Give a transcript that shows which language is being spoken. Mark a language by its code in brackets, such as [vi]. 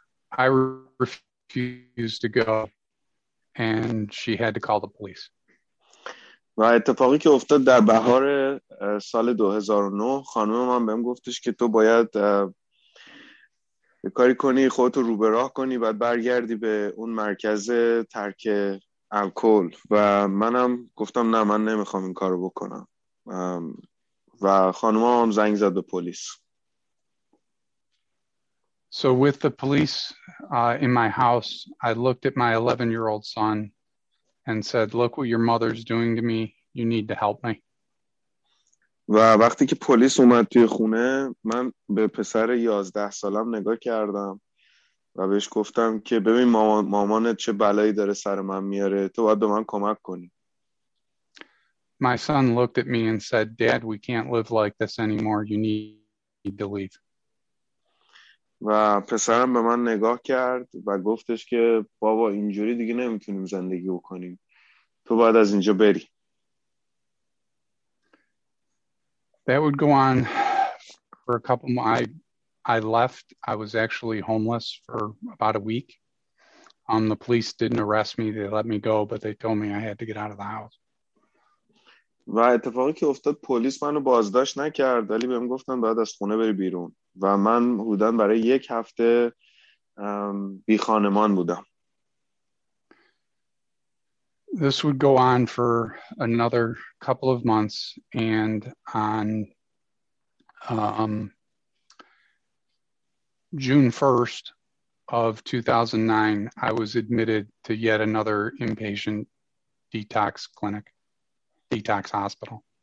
[en] I refused to go, and she had to call the police. [fa] و اتفاقی که افتاد در بهار سال 2009، خانم من بهم گفتش که تو باید کاری کنی، خودتو رو به راه کنی، بعد برگردی به اون مرکز ترک الکل، و منم گفتم نه من نمیخوام این کارو بکنم، و خانم هم زنگ زد به پلیس. [en] So with the police in my house, I looked at my 11-year-old son and said, look what your mother's doing to me. You need to help me. [fa] و وقتی که پلیس اومد توی خونه، من به پسر 11 سالم نگاه کردم و بهش گفتم که ببین مامانت چه بلایی داره سر من میاره، تو باید به من کمک کنی. [en] My son looked at me and said, Dad, we can't live like this anymore. You need to leave. [fa] و پسرم به من نگاه کرد و گفتش که بابا اینجوری دیگه نمیتونیم زندگی بکنیم، تو باید از اینجا بری. [en] That would go on for a couple more. I left. I was actually homeless for about a week. The police didn't arrest me. They let me go, but they told me I had to get out of the house. [fa] و اتفاقی که افتاد پلیس منو بازداشت نکرد، ولی بهم گفتن باید از خونه بری بیرون و من حدوداً برای یک هفته بی خانمان بودم. [en] This would go on for another couple of months, and on June 1st of 2009, I was admitted to yet another inpatient detox clinic, detox hospital.